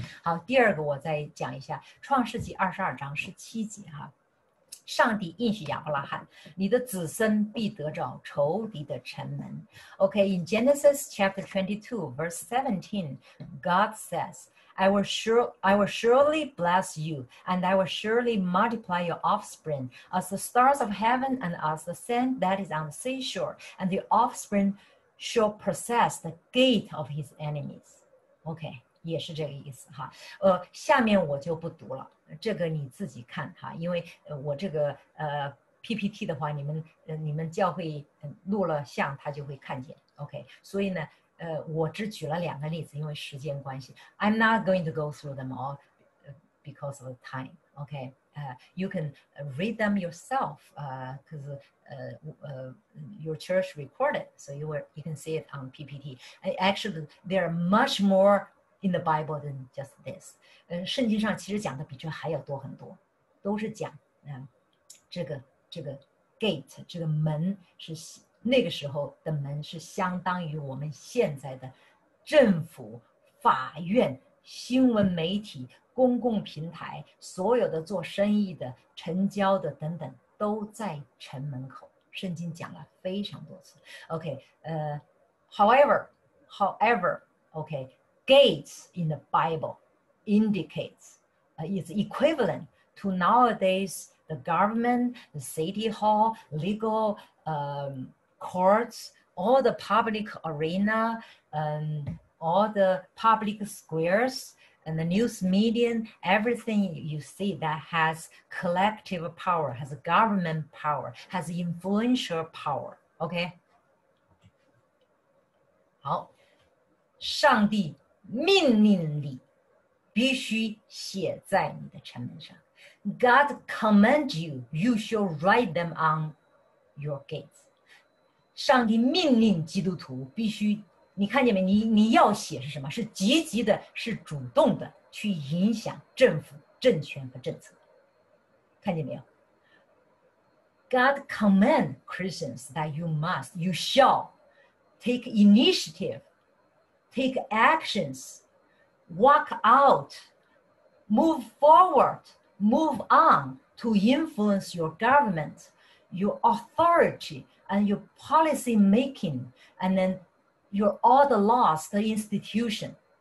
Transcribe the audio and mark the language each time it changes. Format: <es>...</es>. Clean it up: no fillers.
<zh>好，第二个我再讲一下，创世纪二十二章十七节哈，上帝应许亚伯拉罕，你的子孙必得着仇敌的城门。</zh> <en>Okay, in Genesis chapter 22, verse 17, God says,I will surely bless you, and I will surely multiply your offspring as the stars of heaven and as the sand that is on the seashore, and the offspring shall possess the gate of his enemies.</en> <zh>Okay, 也是这个意思哈。下面我就不读了，这个你自己看哈，因为我这个PPT 的话，你们教会录了像，他就会看见。 Okay, 所以呢。我只举了两个例子，因为时间关系。</zh> <en>I'm not going to go through them all because of the time. Okay, you can read them yourself because your church recorded, so you can see it on PPT. Actually, there are much more in the Bible than just this.</en> <zh>圣经上其实讲的比这还要多很多，都是讲这个 gate 这个门是。那个时候的门是相当于我们现在的政府、法院、新闻媒体、公共平台，所有的做生意的、成交的等等，都在城门口。圣经讲了非常多次。</zh> <en>OK， however, gates in the Bible indicates, is equivalent to nowadays the government, the city hall, legal, courts, all the public arena, all the public squares, and the news media, everything you see that has collective power, has government power, has influential power. Okay?</en> <zh>好，上帝命令你必须写在你的城门上。</zh> <en>God commands you, you shall write them on your gates.</en> <zh>上帝命令基督徒必须，你看见没？你要写是什么？是积极的，是主动的，去影响政府、政权和政策。看见没有</zh> <en>？God commands Christians that you must, you shall take initiative, take actions, walk out, move forward. Move on to influence your government, your authority, and your policy making, and then your all the laws, the institution.</en>